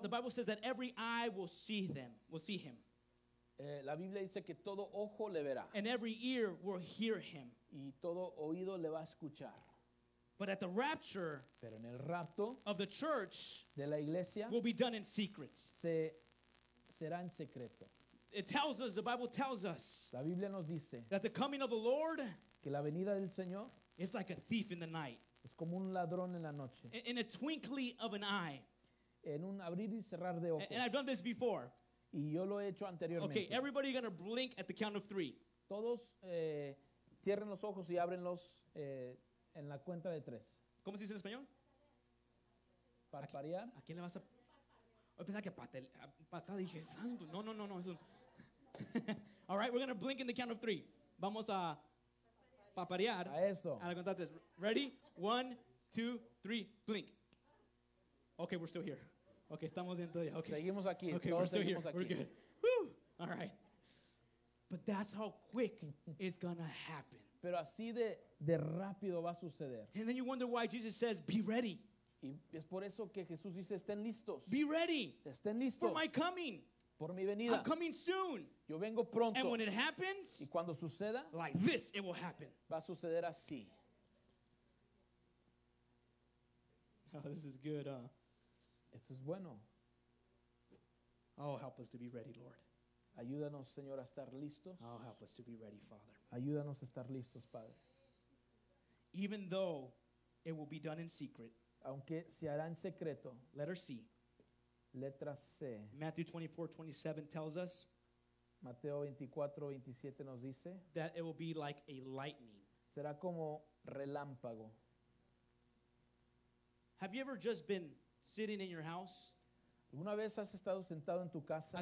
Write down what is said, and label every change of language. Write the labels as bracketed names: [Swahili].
[English] the Bible says that every eye will see them, will see him. [Spanish] La Biblia dice que todo ojo le verá. [English] And every ear will hear him. [Spanish] Y todo oído le va a escuchar. [English] But at the rapture, [Spanish] pero en el rapto, [English] of the church, [Spanish] de la iglesia, [English] will be done in secret. [Spanish] Será en secreto. [English] It tells us, the Bible tells us, [Spanish] la Biblia nos dice, [English] that the coming of the Lord, [Spanish] que la venida del Señor, [English] is like a thief in the night. [Spanish] Es como un ladrón en la noche. [English] In a twinkling of an eye. [Spanish] En un abrir y cerrar de ojos. [English] And I've done this before. [Spanish] Y yo lo he hecho anteriormente. [English] Okay, everybody gonna blink at the count of three. [Spanish] Todos cierren los ojos y ábrenlos en la cuenta de tres. ¿Cómo se dice en español? Parparear. ¿A quién le vas a...? Hoy pensaba que pata, dije, santo. No, eso... [English] All right, we're going to blink in the count of three. [Spanish] Vamos a paparear. A eso. A la cuenta de tres. [English] Ready? One, two, three, blink. Okay, we're still here. Okay, [Spanish] estamos dentro de... [English] Okay. [Spanish] Seguimos aquí. [English] Okay, [Spanish] todos [English] we're still here. [Spanish] Aquí. [English] We're good. Woo! All right. But that's how quick it's going to happen. [Spanish] Pero así de rápido va a suceder. [English] And then you wonder why Jesus says, be ready. [Spanish] Y es por eso que Jesús dice, estén listos. [English] Be ready. [Spanish] Estén listos. [English] For my coming. [Spanish] Por mi venida. [English] I'm coming soon. [Spanish] Yo vengo pronto. [English] And when it happens, [Spanish] y cuando suceda, [English] like this, it will happen. [Spanish] Va a suceder así. [English] Oh, this is good, huh? [Spanish] Esto es bueno. [English] Oh, help us to be ready, Lord. [Spanish] Ayúdanos, Señor, a estar listos. [English] Oh, help us to be ready, Father. [Spanish] Ayúdanos a estar listos, Padre. [English] Even though it will be done in secret, [Spanish] aunque se hará en secreto, [English] letter C. [Spanish] Letra C. [English] Matthew 24:27 tells us, [Spanish] Mateo 24:27 nos dice, [English] that it will be like a lightning. [Spanish] Será como relámpago. [English] Have you ever just been sitting in your house? [Spanish] ¿Alguna vez has estado sentado en tu casa?